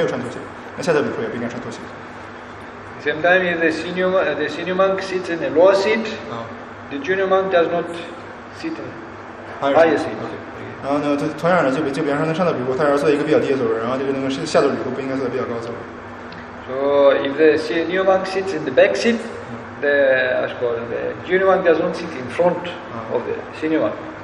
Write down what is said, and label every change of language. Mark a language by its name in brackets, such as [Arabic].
[Chinese] 然后还有那个，对于下座比库来说，如果一个上座比库在场，然后上座比库他没有穿拖鞋，那下座比库也不应该穿拖鞋。 [English] Same time, if the senior monk, the senior monk sits in the lower seat, the junior monk does not sit in higher seat. [Chinese] 然后呢，同样的，就比方说那上座比库，他要坐一个比较低的座位，然后就是那个下座比库不应该坐的比较高的座位。 [English] So if the senior monk sits in the back seat. The junior one doesn't sit in front of the senior one.